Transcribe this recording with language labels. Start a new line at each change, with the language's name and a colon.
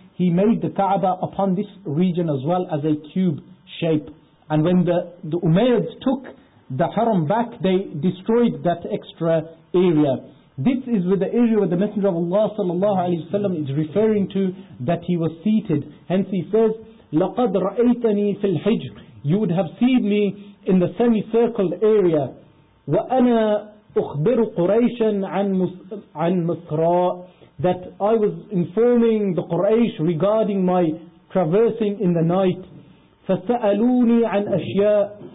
English: he made the Kaaba upon this region as well as a cube shape. And when the Umayyads took the Haram back, they destroyed that extra area. This is with the area where the Messenger of Allah sallallahu alaihi wasallam is referring to that he was seated. Hence he says,
Arabic: لَقَدْ رَأَيْتَنِي فِي الْحِجْرِ.
English: You would have seen me in the semi-circled area.
Arabic: وَأَنَا أُخْبِرُ قُرَيْشًا عَنْ مُسْرًا.
English: That I was informing the Quraysh regarding my traversing in the night.
Arabic: فَسَأَلُونِي عَنْ أَشْيَاءَ.